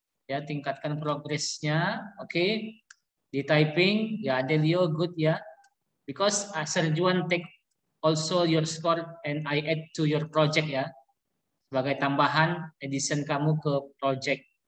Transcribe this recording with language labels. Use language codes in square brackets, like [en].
[id] Ya, tingkatkan progress-nya. Okay. Di typing, ya, Adelio, good, ya. [en] Because Sir Juan take also your score and I add to your project, ya. [id] Sebagai tambahan addition kamu ke project.